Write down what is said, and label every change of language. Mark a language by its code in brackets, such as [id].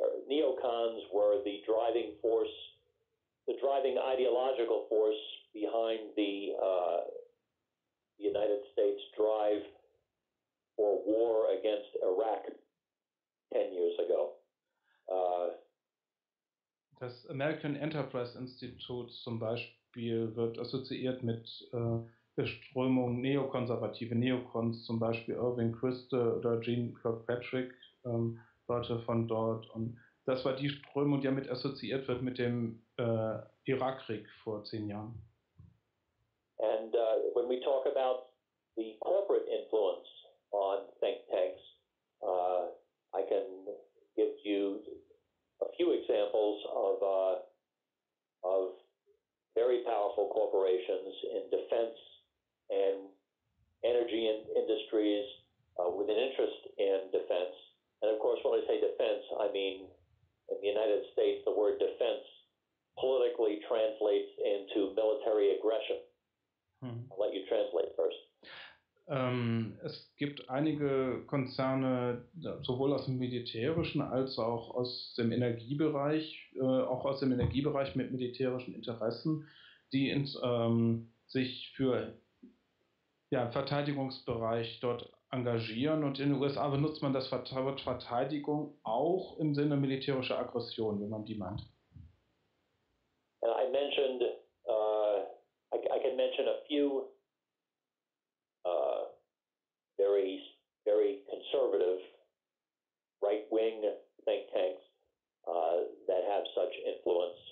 [en] Neocons were the driving force, the driving ideological force behind the United States drive for war against Iraq 10 years ago. [de] Das American Enterprise Institute zum Beispiel wird assoziiert mit der Strömung neokonservative Neocons, zum Beispiel Irving Kristol oder Jane Kirkpatrick, Leute von dort. Und das war die Strömung, die damit assoziiert wird mit dem Irakkrieg vor 10 Jahren. [en] And when we talk about the corporate influence on think tanks, I can give you a few examples of very powerful corporations in defense and energy and industries with an interest in defense. And of course, when I say defense, I mean in the United States, the word defense politically translates into military aggression. I'll let you translate first. [de] Es gibt einige Konzerne, sowohl aus dem militärischen als auch aus dem Energiebereich, auch aus dem Energiebereich mit militärischen Interessen, die ins, sich für ja, Verteidigungsbereich dort engagieren. Und in den USA benutzt man das Wort Verteidigung auch im Sinne militärischer Aggression, wenn man die meint. [en] And I mentioned, I can mention a few very, very conservative right-wing think tanks that have such influence.